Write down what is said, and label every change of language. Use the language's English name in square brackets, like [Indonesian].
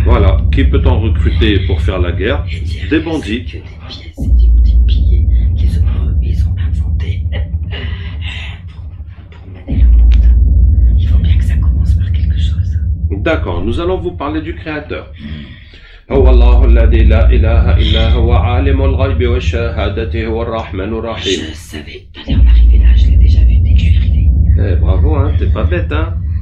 [French] Voilà, qui peut-on recruter pour faire la guerre? Des bandits. Que des pièces et des petits billets qu'ils ont inventés pour mener le monde. Il faut bien que ça commence par quelque chose. D'accord, nous allons vous parler du créateur. [Arabic] هو الله الذي لا إله إلا هو عالم الغيب والشهادة هو الرحمن الرحيم. [French] Je savais que t'allais en arriver là, je l'ai déjà vu dès que je suis arrivée. Eh bravo, hein, t'es pas bête, hein.